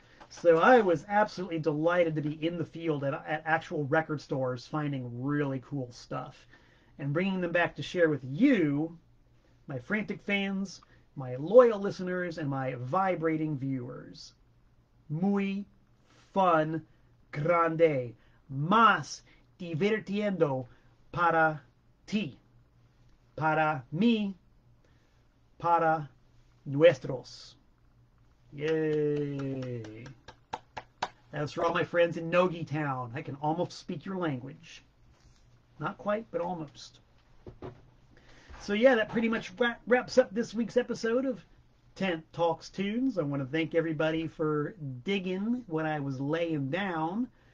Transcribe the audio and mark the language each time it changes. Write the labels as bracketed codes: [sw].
[en] So I was absolutely delighted to be in the field at actual record stores finding really cool stuff and bringing them back to share with you, my frantic fans, my loyal listeners, and my vibrating viewers. [es] Muy fun. Grande, más divirtiendo para ti, para mí, para nuestros. Yay! [en] As for all my friends in Nogi Town, I can almost speak your language. Not quite, but almost. So, yeah, that pretty much wraps up this week's episode of Tent Talks Tunes. I want to thank everybody for digging when I was laying down.